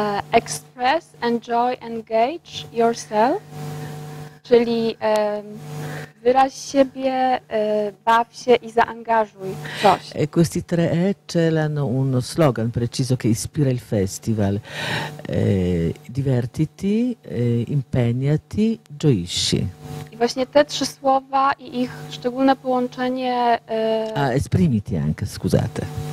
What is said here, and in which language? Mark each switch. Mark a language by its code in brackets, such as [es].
[en] Express, enjoy, engage yourself, [pl] czyli wyraź siebie, baw się i zaangażuj coś. [it] E questi 3 E celano uno slogan preciso che ispira il festival. Divertiti, impegnati, gioisci. [pl] I właśnie te trzy słowa i ich szczególne połączenie. [it] A esprimiti anche, scusate.